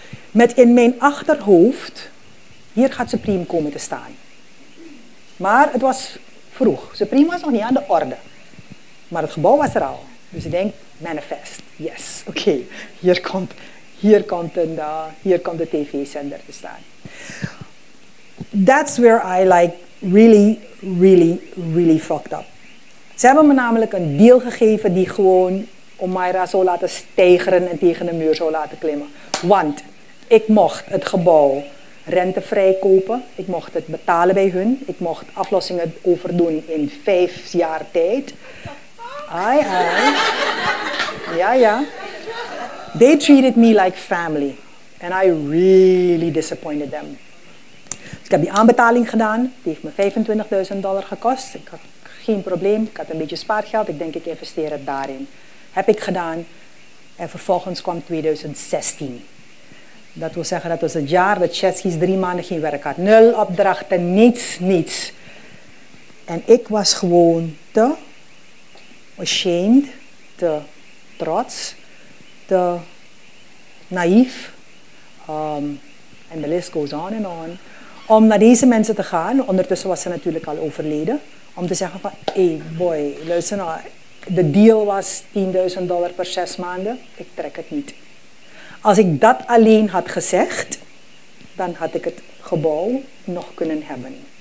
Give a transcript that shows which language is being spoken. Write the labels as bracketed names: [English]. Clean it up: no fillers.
[Dutch] Met in mijn achterhoofd. Hier gaat Supreme komen te staan. Maar het was vroeg. Supreme was nog niet aan de orde. Maar het gebouw was er al. Dus ik denk, manifest. Yes, oké. Hier komt de tv-zender te staan. [English] That's where I like really, really, really fucked up. [Dutch] Ze hebben me namelijk een deal gegeven die gewoon Omaira zou laten stijgeren en tegen de muur zou laten klimmen. Want ik mocht het gebouw rentevrij kopen. Ik mocht het betalen bij hun. Ik mocht aflossingen overdoen in 5 jaar tijd. Ai, ai. Ja, ja. [English] They treated me like family. And I really disappointed them. [Dutch] Dus ik heb die aanbetaling gedaan. Die heeft me $25,000 gekost. Ik had geen probleem. Ik had een beetje spaargeld. Ik denk, ik investeer het daarin. Heb ik gedaan. En vervolgens kwam 2016. Dat wil zeggen, dat was het jaar dat Chesky's 3 maanden geen werk had. 0 opdrachten, niets. En ik was gewoon te ashamed, te trots, te naïef. [English] And the list goes on and on. [Dutch] Om naar deze mensen te gaan, ondertussen was ze natuurlijk al overleden, om te zeggen van, hey boy, luister nou, de deal was $10,000 per 6 maanden, ik trek het niet. Als ik dat alleen had gezegd, dan had ik het gebouw nog kunnen hebben.